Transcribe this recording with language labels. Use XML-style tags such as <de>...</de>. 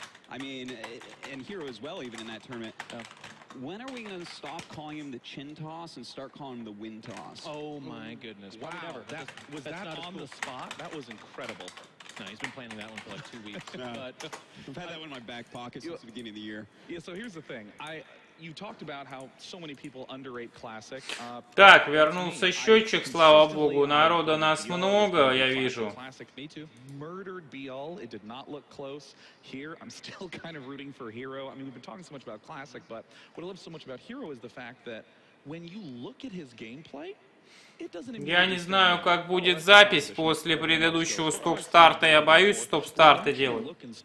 <en>I mean, and Hero as well, even in that tournament. Yeah. When are we going to stop calling him the Chin Toss and start calling him the Wind Toss? Oh, my goodness. Wow. Never. That, was that on the spot? That was incredible. No, he's been planning that one for like 2 weeks. No. But I've had that one in my back pocket since the beginning of the year. Yeah, so here's the thing. You talked about how so many people underrate Classic.</en> <ru>Так, вернулся счетчик, слава богу, народа нас много, я вижу.</ru> <en>Classic, me too. Murdered BL, it did not look close. Here, I'm still kind of rooting for Hero. I mean, we've been talking so much about Classic, but what I love so much about Hero is the fact that when you look at his gameplay,</en> <ru>я не знаю, как будет запись после предыдущего стоп-старта. Я боюсь стоп-старты делать.</ru>